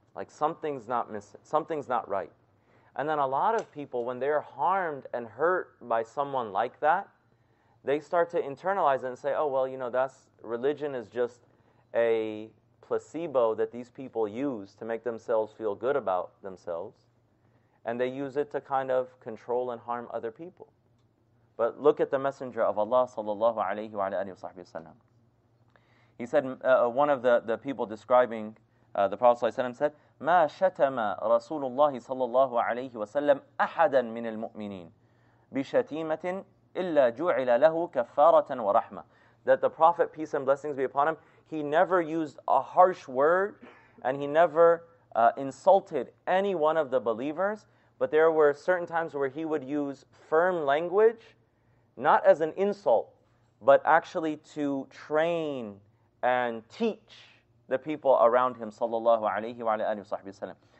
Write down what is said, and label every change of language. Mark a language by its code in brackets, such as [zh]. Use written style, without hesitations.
[en] Like something's not right. And then a lot of people, when they're harmed and hurt by someone like that, they start to internalize it and say, that's religion is just a placebo that these people use to make themselves feel good about themselves. And they use it to kind of control and harm other people. But look at the Messenger of Allah sallallahu alayhi wa alayhi wa sahbihi wa sallam. He said, one of the people describing the Prophet sallallahu alayhi wa sallam said, [ar] ما شتم رسول الله صلى الله عليه وسلم أحدا من المؤمنين بشتيمة إلا جعل له كفارة ورحمة. [en] That the Prophet, peace and blessings be upon him, he never used a harsh word and he never insulted any one of the believers, but there were certain times where he would use firm language, not as an insult, but actually to train and teach the people around him, sallallahu alayhi wa alayhi wa sahbihi wa sallam.